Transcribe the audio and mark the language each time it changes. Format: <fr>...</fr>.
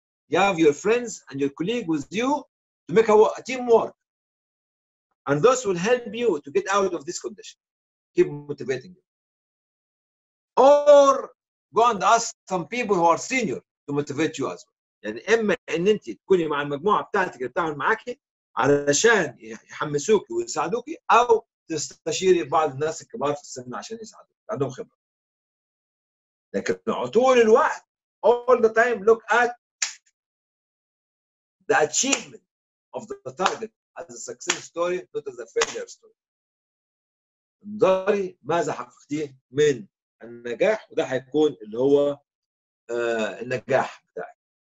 <en>You have your friends and your colleague with you to make a team work, and this will help you to get out of this condition. Keep motivating you. Or go and ask some people who are senior to motivate you as well.</en> <ar>يعني إما إن أنت تكوني مع المجموعة بتاعتك اللي بتعمل معاكي علشان يحمسوك ويساعدوك, أو تستشيري بعض الناس الكبار في السن عشان يساعدوك, عندهم خبرة. لكن طول الوقت,</ar> <en>all the time, look at the achievement of the target as a success story, not as a failure story.</en> <ar>انظري ماذا حققتيه من النجاح, وده هيكون اللي هو النجاح بتاعك.</ar>